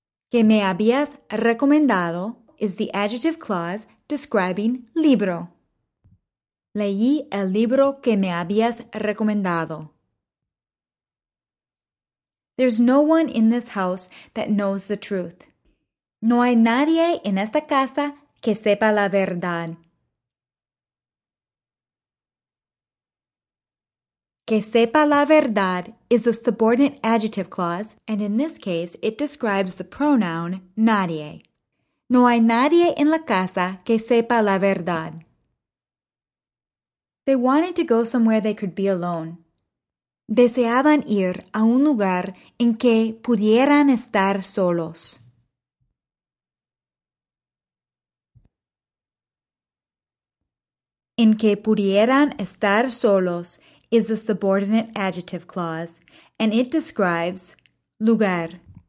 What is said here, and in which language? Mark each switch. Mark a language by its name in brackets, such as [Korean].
[Spanish] Que me habías recomendado [English] is the adjective clause describing libro. [Spanish] Leí el libro que me habías recomendado. [English] There's no one in this house that knows the truth. [Spanish] No hay nadie en esta casa que sepa la verdad. Que sepa la verdad [English] is a subordinate adjective clause, and in this case, it describes the pronoun nadie. [Spanish] No hay nadie en la casa que sepa la verdad. [English] They wanted to go somewhere they could be alone. [Spanish] Deseaban ir a un lugar en que pudieran estar solos. En que pudieran estar solos [English] is the subordinate adjective clause, and it describes lugar.